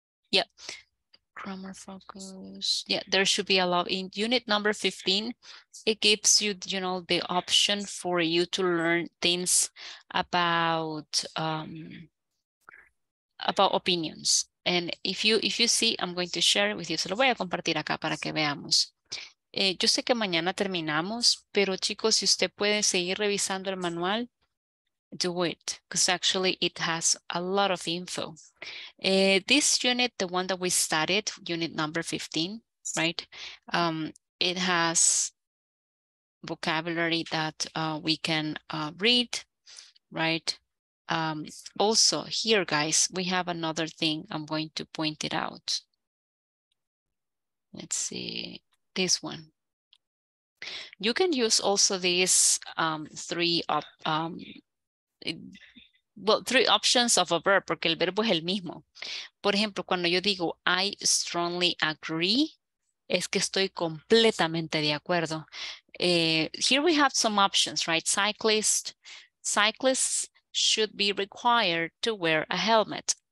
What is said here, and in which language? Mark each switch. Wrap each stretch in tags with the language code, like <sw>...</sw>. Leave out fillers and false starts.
<en>Yeah, grammar focus. Yeah, there should be a lot in unit number 15. It gives you, you know, the option for you to learn things about opinions. And if you see, I'm going to share it with you.</en> <es>Se lo voy a compartir acá para que veamos. Yo sé que mañana terminamos, pero chicos, si usted puede seguir revisando el manual,</es> <en>do it, because actually it has a lot of info. This unit, the one that we studied, unit number 15, right? It has vocabulary that we can read, right? Also here, guys, we have another thing. I'm going to point it out. Let's see. This one. You can use also these three options of a verb,</en> <es>porque el verbo es el mismo. Por ejemplo, cuando yo digo</es> <en>I strongly agree,</en> <es>es que estoy completamente de acuerdo.</es> <en>Here we have some options, right? Cyclists should be required to wear a helmet.</en>